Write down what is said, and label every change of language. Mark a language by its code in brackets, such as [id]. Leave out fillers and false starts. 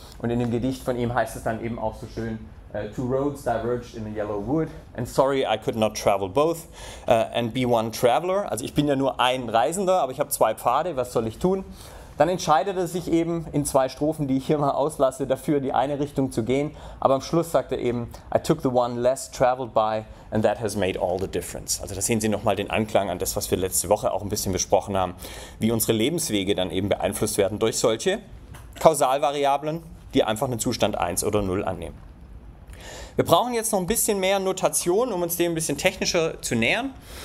[de] Und in dem Gedicht von ihm heißt es dann eben auch so schön, [en] two roads diverged in a yellow wood, and sorry I could not travel both, and be one traveler. [de] Also ich bin ja nur ein Reisender, aber ich habe zwei Pfade, was soll ich tun? Dann entscheidet er sich eben in zwei Strophen, die ich hier mal auslasse, dafür, die eine Richtung zu gehen. Aber am Schluss sagt er eben, [en] I took the one less traveled by and that has made all the difference. [de] Also da sehen Sie nochmal den Anklang an das, was wir letzte Woche auch ein bisschen besprochen haben, wie unsere Lebenswege dann eben beeinflusst werden durch solche Kausalvariablen, die einfach einen Zustand 1 oder 0 annehmen. Wir brauchen jetzt noch ein bisschen mehr Notation, um uns dem ein bisschen technischer zu nähern.